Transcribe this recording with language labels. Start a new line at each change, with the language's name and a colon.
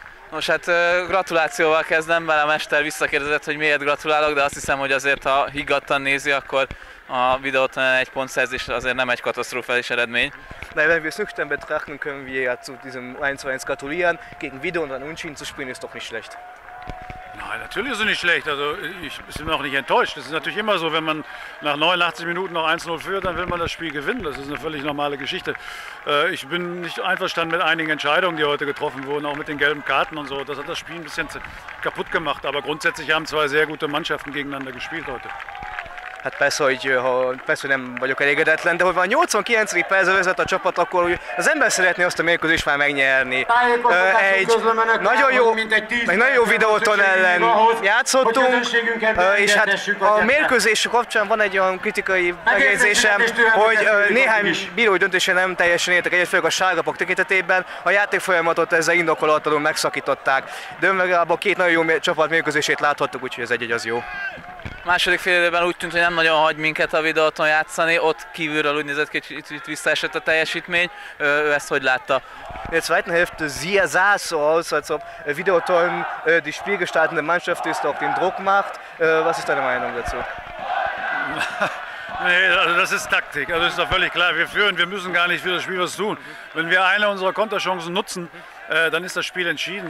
Hungarian: Most hát gratulációval kezdem, bár a mester visszakérdezett, hogy miért gratulálok, de azt hiszem, hogy azért, ha higgadtan nézi, akkor a videótanán egy pontszerzés azért nem egy katasztrofális eredmény.
German: Nein, wenn wir es nüchtern betrachten, können wir ja zu diesem 1:1 gratulieren. Gegen Wido und Unschien zu spielen ist doch nicht schlecht. Nein, natürlich ist es nicht schlecht. Also ich bin auch nicht enttäuscht. Das ist natürlich immer so, wenn man nach 89 Minuten noch 1:0 führt, dann will man das Spiel gewinnen. Das ist eine völlig normale Geschichte. Ich bin nicht einverstanden mit einigen Entscheidungen, die heute getroffen wurden, auch mit den gelben Karten und so. Das hat das Spiel ein bisschen kaputt gemacht. Aber grundsätzlich haben zwei sehr gute Mannschaften gegeneinander gespielt heute.
Hungarian: Hát persze, hogy nem vagyok elégedetlen, de hogy van 89. percben vezet a csapat, akkor az ember szeretné azt a mérkőzést már megnyerni. Egy nagyon jó, meg nagyon jó videóton ellen játszottunk, és hát a mérkőzés kapcsán van egy olyan kritikai megjegyzésem, hogy néhány bírói döntése nem teljesen értek egyet, főleg a sárgapok tekintetében, a játék folyamatot ezzel indokolatlanul megszakították, de önmagában két nagyon jó csapat mérkőzését láthattuk, úgyhogy ez egy-egy az jó. Második fél időben úgy tűnt, hogy nem nagyon hagy minket a videóton játszani, ott kívülről úgy nézett, hogy itt visszaesett a teljesítmény. Ő ezt hogy látta?
German: In der zweiten Hälfte sah so aus, als ob Videoton die spielgestaltende Mannschaft ist, auch den Druck macht. Was ist deine Meinung dazu? Nee, also das ist Taktik. Also ist doch völlig klar, wir führen, wir müssen gar nicht für das Spiel was tun. Wenn wir eine unserer Konterchancen nutzen, dann ist das Spiel entschieden.